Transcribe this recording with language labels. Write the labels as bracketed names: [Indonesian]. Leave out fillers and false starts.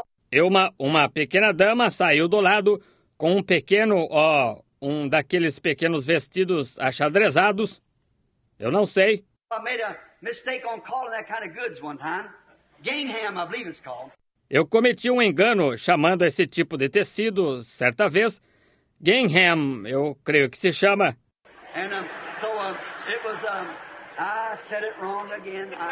[Portuguese] E uma pequena dama saiu do lado com um pequeno, um daqueles pequenos vestidos achadrezados. Eu não sei. [English] I made a mistake on calling that kind of goods one time. Gingham, I believe it's called. [Portuguese] Eu cometi um engano chamando esse tipo de tecido certa vez. Gingham, eu creio que se chama. [English] And it was, I said it wrong again.